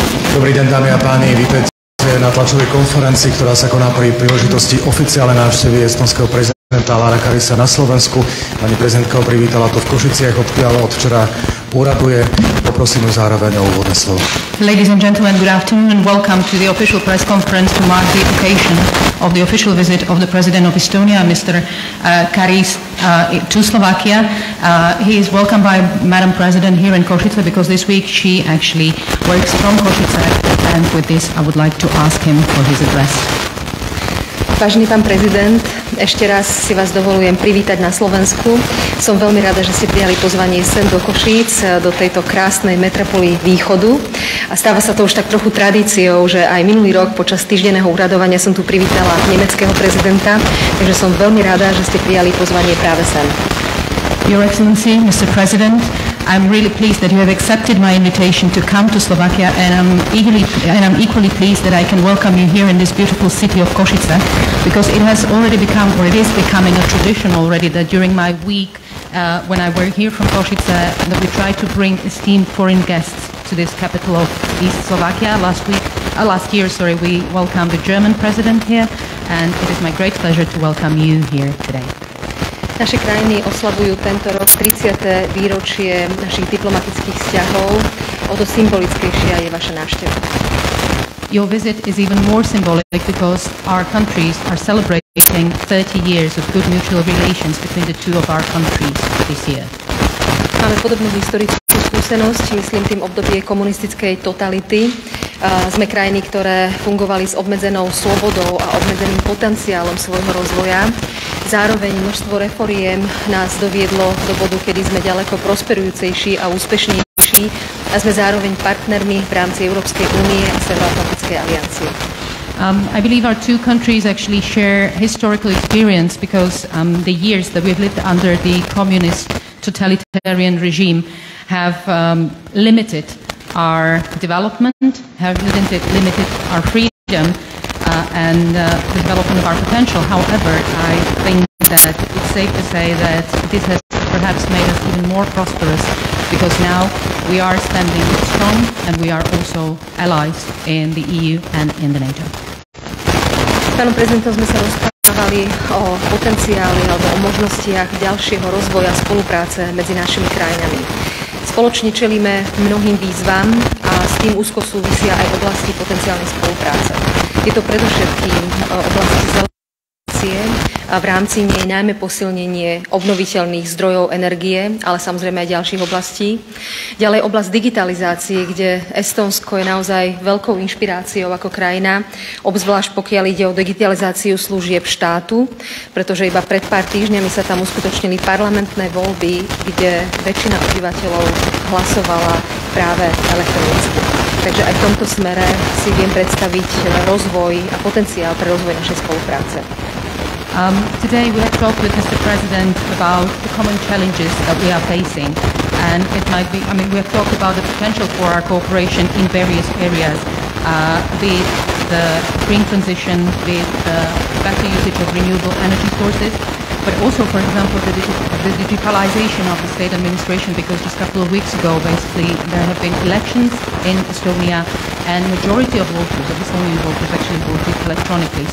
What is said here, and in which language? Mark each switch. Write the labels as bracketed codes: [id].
[sk] Dobrý deň, dámy a páni, vítajte na tlačovej konferencii, ktorá sa koná pri príležitosti oficiálnej návštevy estónskeho prezidenta Alara Karisa na Slovensku. Pani prezidentka ho privítala tu v Košiciach, odkiaľ od včera úraduje. Poprosím ju zároveň o úvodné slovo. [en] Ladies and gentlemen, good afternoon and welcome to the official press conference to mark the occasion of the official visit of the president of Estonia, Mr. Karis, to Slovakia. He is welcomed by Madam President here in Košice because this week she actually works from Košice, and with this I would like to ask him for his address. [sk] Vážený pán prezident, ešte raz si vás dovolujem privítať na Slovensku. Som veľmi rada, že ste prijali pozvanie sem do Košíc, do tejto krásnej metropoly východu. A stáva sa to už tak trochu tradíciou, že aj minulý rok počas týždenného uradovania som tu privítala nemeckého prezidenta, takže som veľmi rada, že ste prijali pozvanie práve sem. [en] Your Excellency, Mr. President, I'm really pleased that you have accepted my invitation to come to Slovakia, and I'm equally pleased that I can welcome you here in this beautiful city of Košice, because it has already become, or it is becoming a tradition already, that during my week, when I were here from Košice, that we try to bring esteemed foreign guests to this capital of East Slovakia. Last year, we welcomed the German president here, and it is my great pleasure to welcome you here today. [sk] Naše krajiny oslavujú tento rok 30. výročie našich diplomatických vzťahov. O to symbolickejšia je vaša návšteva. [en] Your visit is even more symbolic because our countries are celebrating 30 years of good mutual relations between the two of our countries this year. [sk] Máme podobnú historickú skúsenosť, myslím tým obdobie komunistickej totality. Sme krajiny, ktoré fungovali s obmedzenou slobodou a obmedzeným potenciálom svojho rozvoja. Zároveň množstvo reforiem nás doviedlo do bodu, kedy sme ďaleko prosperujúcejší a úspešnejší a sme zároveň partnermi v rámci Európskej únie a Severoatlantickej aliancie. [en] I believe our two countries actually share historical experience because the years that we've lived under the communist totalitarian regime have limited our development, have limited our freedom, and the development of our potential. However, I think that it's safe to say that this has perhaps made us even more prosperous because now we are standing strong and we are also allies in the EU and in the NATO. [sk] Pánu prezidentu sme sa rozprávali o potenciáli alebo o možnostiach ďalšieho rozvoja spolupráce medzi našimi krajinami. Spoločne čelíme mnohým výzvam a s tým úzko súvisia aj oblasti potenciálnej spolupráce. Je to predovšetkým oblasti zelenie a v rámci nej najmä posilnenie obnoviteľných zdrojov energie, ale samozrejme aj ďalších oblastí. Ďalej oblasť digitalizácie, kde Estónsko je naozaj veľkou inšpiráciou ako krajina, obzvlášť pokiaľ ide o digitalizáciu služieb štátu, pretože iba pred pár týždňami sa tam uskutočnili parlamentné voľby, kde väčšina obyvateľov hlasovala práve elektronicky. Takže aj v tomto smere si viem predstaviť rozvoj a potenciál pre rozvoj našej spolupráce. [en] Today we have talked with Mr. President about the common challenges that we are facing, and it might be, I mean, we have talked about the potential for our cooperation in various areas, be it the green transition, be it the better usage of renewable energy sources, but also, for example, the digitalization of the state administration, because just a couple of weeks ago, basically, there have been elections in Estonia, and majority of voters, of Estonian voters, actually voted electronically.